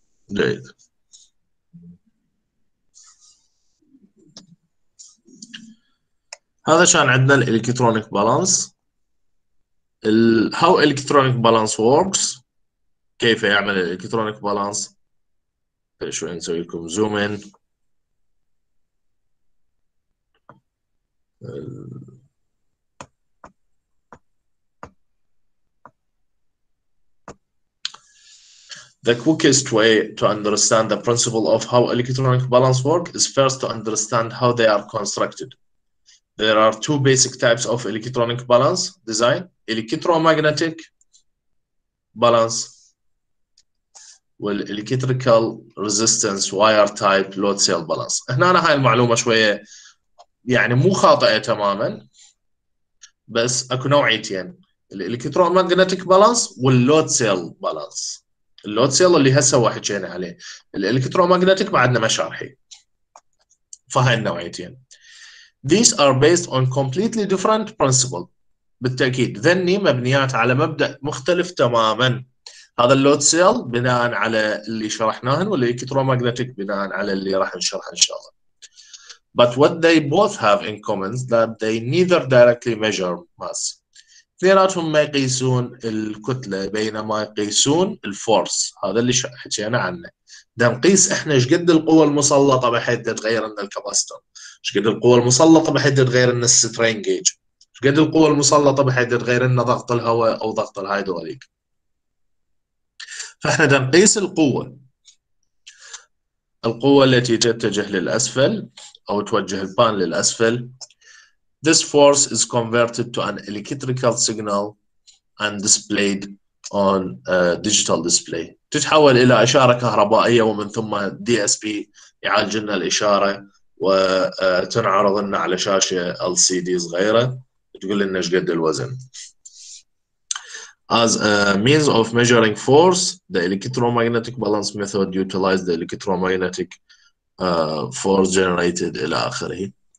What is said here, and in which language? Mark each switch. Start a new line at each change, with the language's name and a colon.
Arabic: جيد. هذا شان عندنا الإلكترونيك بالانس.
English: How electronic balance works.
Arabic: كيف يعمل الالكترونيك بالانس؟ شوي نسوي لكم زوم ان.
English: The quickest way to understand the principle of how electronic balance work is first to understand how they are constructed. There are two basic types of electronic balance design: electromagnetic balance والelectrical resistance wire type load cell balance.
Arabic: هنا أنا هاي المعلومة شوية يعني مو خاطئة تماما، بس أكو نوعيتين: ال
English: electromagnetic balance
Arabic: وال
English: load cell balance.
Arabic: اللود cell اللي هسه وحكينا عليه، الelectromagnetic بعدنا ما شارحي. فهاي النوعيتين.
English: These are based on completely different principle.
Arabic: بالتأكيد ذني مبنيات على مبدأ مختلف تماما. هذا اللود سيل بناء على اللي شرحناهن، والإلكترومغناطيك بناء على اللي راح نشرح إن شاء الله.
English: But what they both have in common is that they neither directly measure mass.
Arabic: اثنيناتهم ما يقيسون الكتلة بينما يقيسون الفورس. هذا اللي حكينا عنه. ده نقيس احنا ايش قد القوة المسلطة بحيث تتغير لنا الكاباستور، ايش قد القوة المسلطة بحيث تتغير لنا السترين جيج، ايش قد القوة المسلطة بحيث تتغير لنا ضغط الهواء او ضغط الهيدروليك. فاحنا ده نقيس القوة. القوة التي تتجه للاسفل او توجه البان للاسفل.
English: This force is converted to an electrical signal and displayed on a digital display.
Arabic: تتحول إلى إشارة كهربائية ومن ثم DSP يعالج لنا الإشارة وتنعرض لنا على شاشة LCD صغيرة تقول لنا إيش قد الوزن.
English: As a means of measuring force, the electromagnetic balance method utilizes the electromagnetic force generated
Arabic: إلى آخره.